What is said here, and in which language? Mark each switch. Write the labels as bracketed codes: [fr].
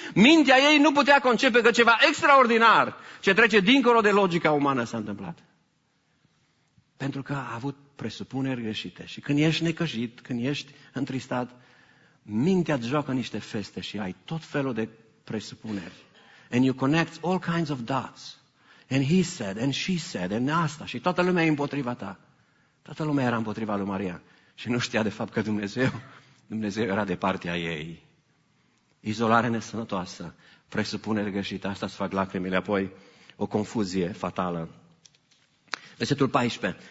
[ro] Mintea ei nu putea concepe că ceva extraordinar ce trece dincolo de logica umană s-a întâmplat. Pentru că a avut presupuneri greșite. Și când ești necăjit, când ești întristat, mintea îți joacă niște feste și ai tot felul de presupuneri. [en] And you connect all kinds of dots. And he said, and she said, and [ro] asta. Și toată lumea e împotriva ta. Toată lumea era împotriva lui Maria. Și nu știa de fapt că Dumnezeu era de partea ei. Izolare nesănătoasă, presupuneri greșite, asta îți fac lacrimile, apoi o confuzie fatală. Versetul 14.